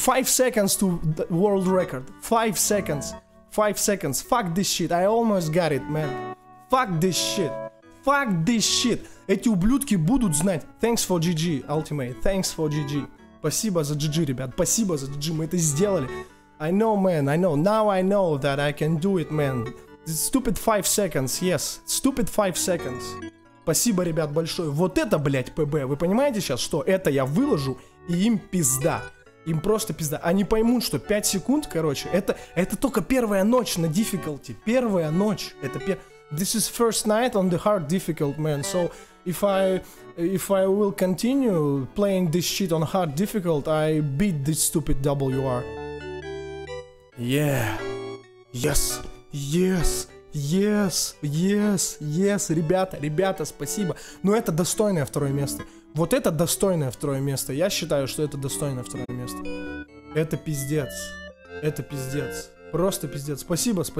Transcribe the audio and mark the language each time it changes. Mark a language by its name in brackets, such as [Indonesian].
[English] 5 seconds to world record! 5 seconds! 5 seconds! Fuck this shit! I almost got it, man! Fuck this shit! Fuck this shit! [Russian] Эти ублюдки будут знать! [English] Thanks for GG, Ultimate! Thanks for GG! [Russian] Спасибо за GG, ребят! Спасибо за GG! Мы это сделали! [English] I know, man, I know. Now I know that I can do it, man. Stupid 5 seconds, yes. Stupid 5 seconds. [Russian] Спасибо, ребят, большое. Вот это, блядь, ПБ. Вы понимаете сейчас, что это я выложу, и им пизда. Им просто пизда. Они поймут, что 5 секунд, короче, это только первая ночь на difficulty. Первая ночь. [English] This is first night on the hard difficult, man. So if I will continue playing this shit on hard difficult, I beat this stupid WR. Yeah, yes, yes, yes, yes, yes, [Russian] ребята, ребята, спасибо. Но это достойное второе место. Вот это достойное второе место. Я считаю, что это достойное второе место. Это пиздец. Это пиздец. Просто пиздец. Спасибо, спасибо.